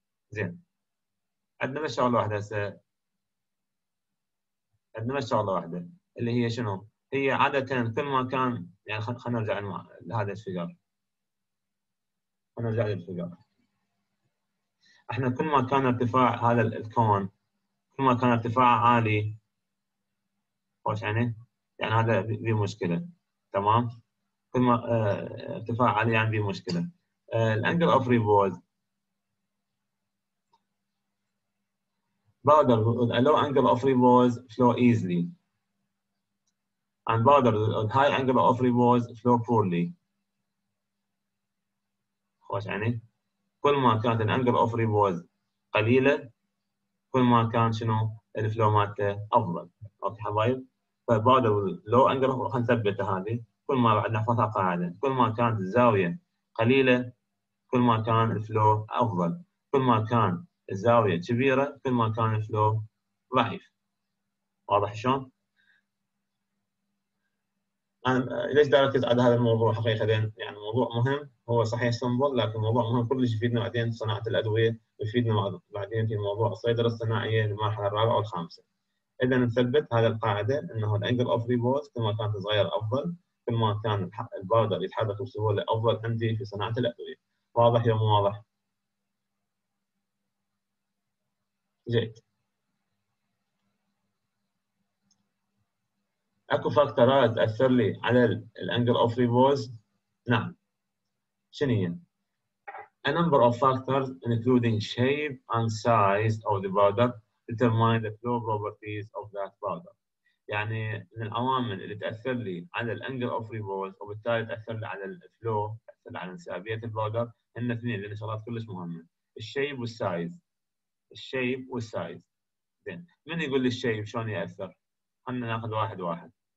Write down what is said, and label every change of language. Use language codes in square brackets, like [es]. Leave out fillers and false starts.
[ar] زين عندنا بس شغله واحده، عندنا بس شغله واحده اللي هي شنو؟ هي عاده كل ما كان يعني خلينا نرجع لهذا الفيجر، خلينا نرجع للفيجر. احنا كل ما كان ارتفاع هذا الكون كل ما كان ارتفاعه عالي. وش يعني؟ يعني هذا في مشكله. تمام؟ كل ما ارتفاع عالي يعني في مشكله. [en] الانجل of repose Border with a low angle of repose flow easily, and border with high angle of repose flow poorly. [ar] خوش يعني كل ما كانت ال angle of repose قليلة كل ما كان شنو ال flow مالته أفضل. أوكي حبايب، ف [en] border with low angle of repose [ar] نثبتها هذه، كل ما بعد نحفظها قاعدة، كل ما كانت الزاوية قليلة كل ما كان ال flow أفضل، كل ما كان الزاوية كبيرة كل ما كان الفلو ضعيف. واضح شلون؟ أنا ليش دار أركز على هذا الموضوع حقيقة؟ يعني موضوع مهم، هو صحيح سمبل لكن موضوع مهم كلش يفيدنا بعدين صناعة الأدوية، ويفيدنا بعدين في موضوع الصيدلة الصناعية للمرحلة الرابعة والخامسة. إذا نثبت هذه القاعدة أنه الأنجل أوف ريبوز كل ما كانت صغيرة أفضل، كل ما كان البودر يتحرك بسهولة أفضل عندي في صناعة الأدوية. واضح يا مو واضح؟ زين اكو فاكتورات تاثر لي على الانجل اوف ريبوز؟ نعم. شنو هي؟ [en] A number of factors including shape and size of the border determine the flow properties of that border. [ar] يعني من العوامل اللي تاثر لي على الانجل اوف ريبوز وبالتالي تاثر لي على الفلو، تاثر على انسيابيه البودر، هن اثنين لان شغلات كلش مهمه، الشيب والسايز. الشيب والسايز. زين من يقول لي الشيب شلون ياثر؟ خلينا ناخذ واحد واحد.